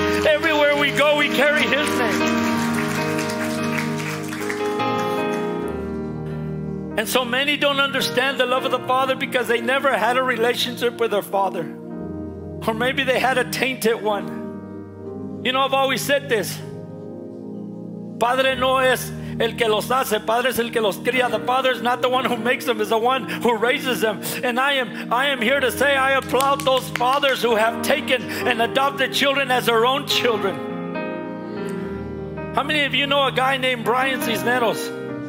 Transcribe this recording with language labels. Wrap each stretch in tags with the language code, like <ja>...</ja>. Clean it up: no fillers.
<en>Everywhere we go, we carry His name. And so many don't understand the love of the Father because they never had a relationship with their Father. Or maybe they had a tainted one. You know, I've always said this:</en> <es>Padre no es el que los hace, Padre es el que los cría.</es> <en>The Father is not the one who makes them, is the one who raises them. And I am here to say I applaud those fathers who have taken and adopted children as their own children. How many of you know a guy named Brian Cisneros?</en>